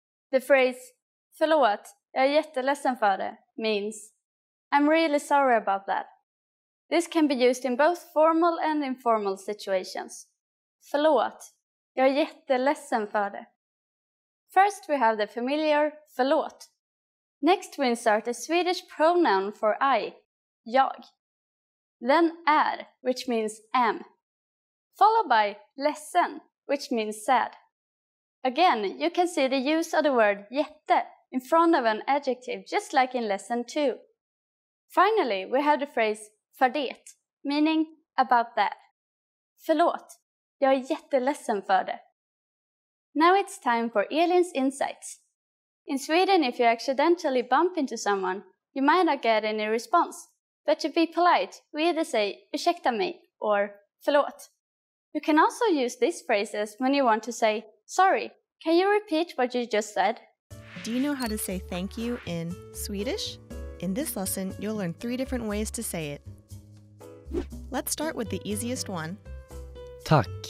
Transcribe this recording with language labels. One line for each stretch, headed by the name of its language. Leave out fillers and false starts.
English: The phrase
Swedish: förlåt, jag är jätteledsen för det,
English: means I'm really sorry about that. This can be used in both formal and informal situations.
Swedish: Förlåt, jag är jätteledsen för det.
English: First we have the familiar förlåt. Next we insert a Swedish pronoun for I, jag. Then är, which means am. Followed by ledsen, which means sad. Again, you can see the use of the word jätte in front of an adjective, just like in lesson 2. Finally, we have the phrase för det, meaning about that.
Swedish: Förlåt, jag är jätteledsen för det.
English: Now it's time for Elin's insights. In Sweden, if you accidentally bump into someone, you might not get any response. But to be polite, we either say
Swedish: ursäkta mig
English: or förlåt. You can also use these phrases when you want to say, sorry, can you repeat what you just said? Do you know how to say thank you in Swedish? In this lesson, you'll learn 3 different ways to say it. Let's start with the easiest one.
Swedish: Tack.